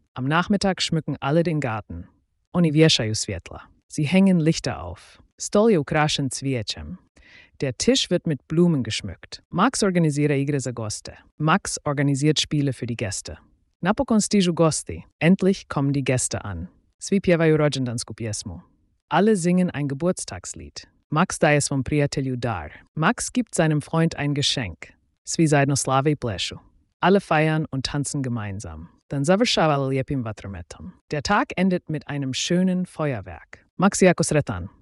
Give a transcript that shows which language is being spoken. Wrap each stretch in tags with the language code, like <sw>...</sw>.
<de>Am Nachmittag schmücken alle den Garten.</de> <hr>Oni vješaju svjetla.</hr> <de>Sie hängen Lichter auf.</de> <hr>Stol je ukrašen cvijećem.</hr> <de>Der Tisch wird mit Blumen geschmückt.</de> <hr>Max organizira igre za goste.</hr> <de>Max organisiert Spiele für die Gäste.</de> <hr>Napokon stižu gosti.</hr> <de>Endlich kommen die Gäste an.</de> <hr>Svi pjevaju rođendansku pjesmu.</hr> <de>Alle singen ein Geburtstagslied.</de> <hr>Max daje svom prijatelju dar.</hr> <de>Max gibt seinem Freund ein Geschenk.</de> <hr>Svi zajedno slave i plešu.</hr> <de>Alle feiern und tanzen gemeinsam.</de> <hr>Dann završava lijepim vatrometom.</hr> <de>Der Tag endet mit einem schönen Feuerwerk.</de> <hr>Max je jako sretan.</hr>